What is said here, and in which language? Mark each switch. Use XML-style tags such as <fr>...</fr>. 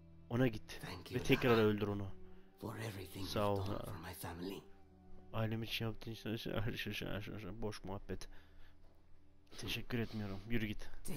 <tr>Ona git ve tekrar öldür onu.</tr> <en>For everything</en> <tr>sağ ol</tr> <en>for my family.</en> <tr>Ailem için yaptığın için şaşırma. Boş muhabbet. Teşekkür etmiyorum. Yürü git.</tr>